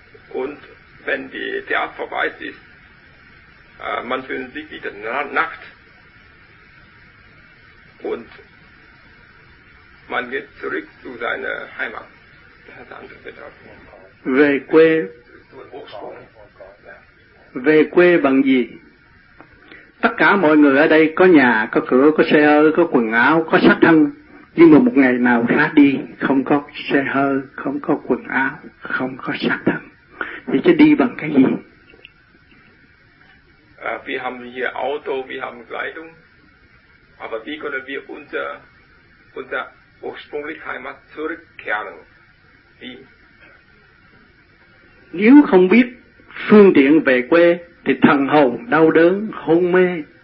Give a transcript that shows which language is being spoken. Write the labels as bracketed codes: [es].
[de] Und wenn die Theater vorbei ist, man fühlt sich wieder nackt. Und man geht zurück zu seiner Heimat. Das hat andere Bedeutung. [vi] Về quê bằng gì? Tất cả mọi người ở đây có nhà, có cửa, có xe hơi, có quần áo, có xác thân. Nhưng mà một ngày nào ra đi, không có xe hơi, không có quần áo, không có xác thân. Thì chứ đi bằng cái gì? [de] Wir haben hier Auto, wir haben Kleidung. Aber wie können wir unser ursprüngliche Heimat zurückkehren? Wie? [vi] Nếu không biết phương tiện về quê, thì thần hồn đau đớn, hôn mê.